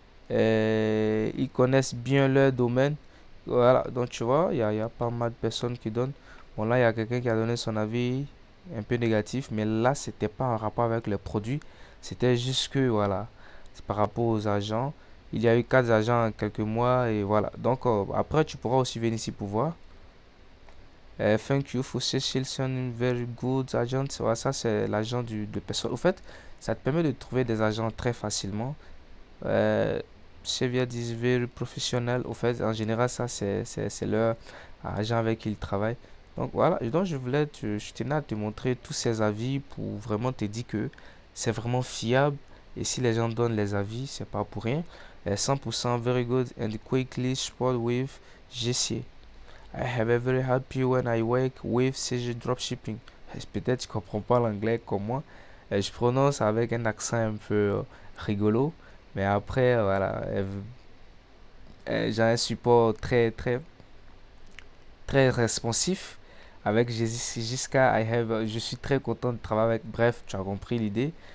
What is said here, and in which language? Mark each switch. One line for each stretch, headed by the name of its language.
French: Et ils connaissent bien leur domaine. Voilà, donc tu vois, il y a pas mal de personnes qui donnent. Bon, là, il y a quelqu'un qui a donné son avis un peu négatif, mais là, c'était pas en rapport avec le produit. C'était juste que voilà, c'est par rapport aux agents. Il y a eu 4 agents en quelques mois et voilà. Donc après, tu pourras aussi venir ici pour voir.
English: Thank you for searching very good agent.
French: Voilà, ça, c'est l'agent de personne. Au fait, ça te permet de trouver des agents très facilement. Xavier dit very professionnel. Au fait, en général, ça, c'est leur agent avec qui ils travaillent. Donc voilà. Donc je tenais à te montrer tous ces avis pour vraiment te dire que c'est vraiment fiable. Et si les gens donnent les avis, c'est pas pour rien.
English: 100% very good and quickly support with GC. I have a very happy when I work with CG Dropshipping.
French: Peut-être tu comprends pas l'anglais comme moi. Je prononce avec un accent un peu rigolo. Mais après, voilà. J'ai un support très, très, très responsif avec GC. Je suis très content de travailler avec. Bref, tu as compris l'idée.